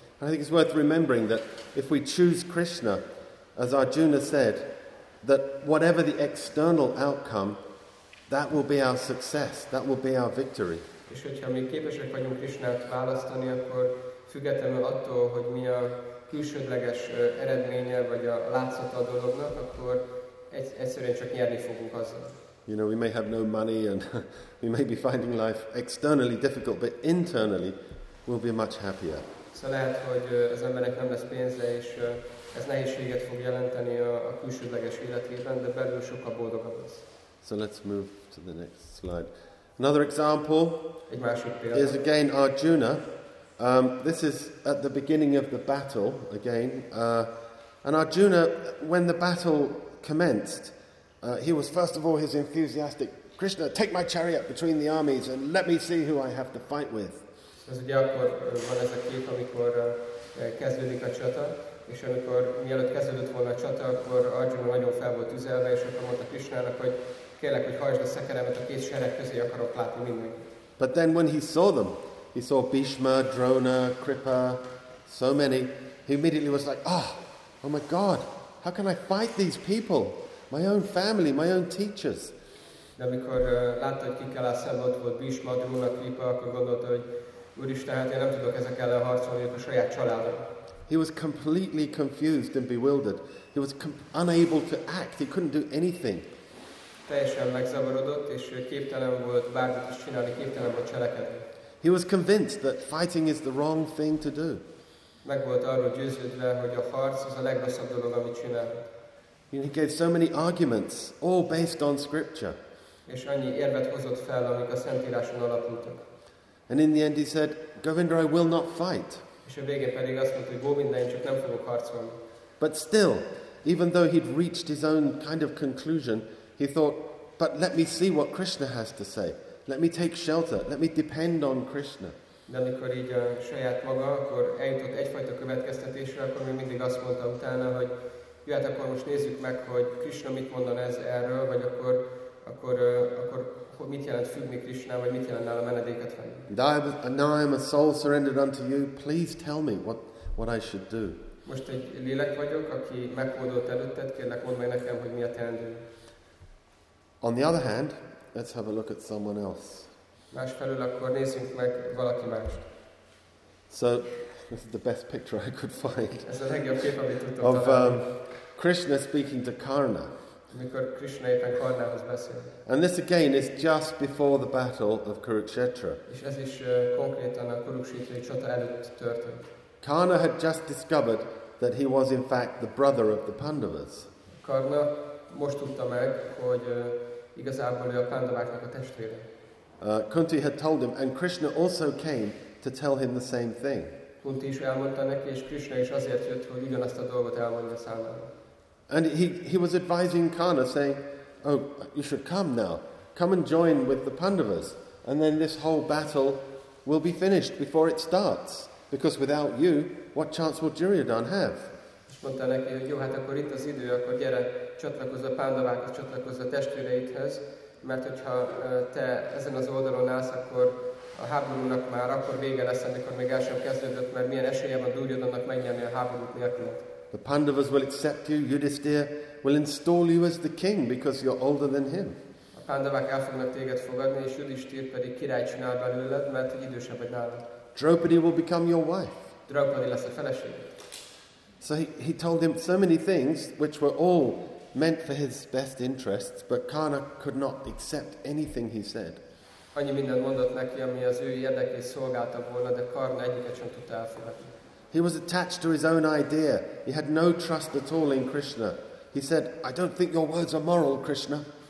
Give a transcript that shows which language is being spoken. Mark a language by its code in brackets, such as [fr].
[en] I think it's worth remembering that if we choose Krishna, as Arjuna said, that whatever the external outcome, that will be our success, that will be our victory. [hu] És hogyha mi képesek vagyunk Krishnát választani, akkor függetlenül attól, hogy mi a külsődleges eredménye, vagy a látszata a dolognak, akkor egyszerűen csak nyerni fogunk azzal. [en] You know, we may have no money, and we may be finding life externally difficult, but internally, we'll be much happier. [hu] So lehet, hogy az emberek nem lesz pénze, és ez nehézséget fog jelenteni a külsődleges életében, de belül sokkal boldogabb lesz. [en] So let's move to the next slide. Another example is again Arjuna. This is at the beginning of the battle again. And Arjuna, when the battle commenced, he was first of all his enthusiastic, Krishna, take my chariot between the armies and let me see who I have to fight with. [hu] Ez ugye akkor van ez a kép, amikor kezdődik a csata, és amikor mielőtt kezdődött volna a csata, akkor Arjuna nagyon fel volt tüzelve, és akkor mondta Krishnának, hogy kérlek, hogy hajtsd a szekeremet, a két sereg közé akarok látni mindenkit. [en] But then when he saw them, he saw Bhishma, Drona, Kripa, so many. He immediately was like, oh my God, how can I fight these people? My own family, my own teachers. [hu] De amikor látta, hogy kikkel áll szemben, ott volt Bhishma, Drona, Kripa, akkor gondolta, hogy Úristen, hát én nem tudok ezek ellen harcolni, a saját családom. [en] He was completely confused and bewildered. He was unable to act. He couldn't do anything. [hu] Teljesen megzavarodott, és képtelen volt bármit is csinálni, képtelen volt cselekedni. [en] He was convinced that fighting is the wrong thing to do. [hu] Meg volt arról győződve, hogy a harc az a legrosszabb dolog, amit csinál. [en] He gave so many arguments, all based on scripture. [hu] És annyi érvet hozott fel, amik a Szentíráson alapultak. [en] And in the end he said, Govinda, I will not fight. [hu] És a végén pedig azt mondta, hogy Govinda, én csak nem fogok harcolni. [en] But still, even though he'd reached his own kind of conclusion, he thought, but let me see what Krishna has to say. Let me take shelter. Let me depend on Krishna. [hu] De amikor így a saját maga, akkor eljutott egyfajta következtetésre, akkor még mindig azt mondta utána, hogy jó, hát akkor most nézzük meg, hogy Krishna mit mondan ez erről, vagy akkor mit jelent függni Krishna, vagy mit jelent nála menedéket venni. [en] Now I am a soul surrendered unto you. Please tell me what I should do. [hu] Most egy lélek vagyok, aki meghódolt előtted, kérlek mondd meg nekem, hogy mi a teendő. [en] On the other hand, let's have a look at someone else. [hu] Másfelől akkor nézzünk meg valaki mást. [en] So, this is the best picture I could find. [hu] Ez a legjobb kép, amit tudtam találni. [en] Of Krishna speaking to Karna. [hu] Mikor Krishna éppen Karnához beszél. [en] And this again is just before the battle of Kurukshetra. [hu] És ez is konkrétan a Kurukshetra csata előtt történt. [en] Karna had just discovered that he was in fact the brother of the Pandavas. [hu] Karna most tudta meg, hogy igazából ő a Pandaváknak a testvére. [en] Kunti had told him, and Krishna also came to tell him the same thing. [hu] Kunti is elmondta neki, és Krishna is azért jött, hogy ugyanazt a dolgot elmondja számára. [en] And he was advising Karna, saying, oh, you should come now. Come and join with the Pandavas. And then this whole battle will be finished before it starts. Because without you, what chance will Duryodhana have? [hu] És mondta neki, hogy jó, hát akkor itt az idő, akkor gyere, csatlakozz a Pandavákhoz, csatlakozz a testvéreidhez, mert hogyha te ezen az oldalon állsz, akkor a háborúnak már akkor vége lesz, amikor még el sem kezdődött, mert milyen esélye van Duryodhannak megnyerni a háborút nélkül. [en] The Pandavas will accept you, Yudhisthira will install you as the king because you're older than him. [hu] A Pandavák el fognak téged fogadni, és Yudhisthira pedig királyt csinál belőled, mert idősebb vagy nálad. [en] Draupadi will become your wife. [hu] Draupadi lesz a feleség. [en] So he told him so many things which were all meant for his best interests, but Karna could not accept anything he said. [hu] Annyi mindent mondott neki, ami az ő érdekét szolgálta volna, de Karna egyiket sem tudta elfogadni. [en] He was attached to his own idea. He had no trust at all in Krishna. He said, I don't think your words are moral, Krishna.